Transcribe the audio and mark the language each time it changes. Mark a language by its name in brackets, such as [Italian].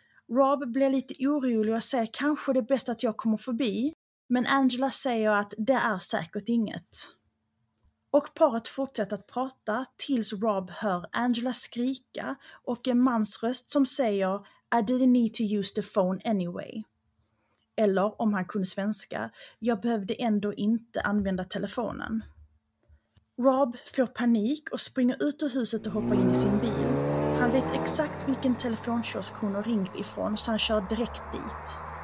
[Swedish] Rob blir lite orolig och säger kanske det är bäst att jag kommer förbi, men Angela säger att det är säkert inget. Och paret fortsätter att prata tills Rob hör Angela skrika och en mans röst som säger [English] I didn't need to use the phone anyway. [Swedish] Eller om han kunde svenska, jag behövde ändå inte använda telefonen. Rob får panik och springer ut ur huset och hoppar in i sin bil. Han vet exakt vilken telefonkiosk hon har ringt ifrån så han kör direkt dit.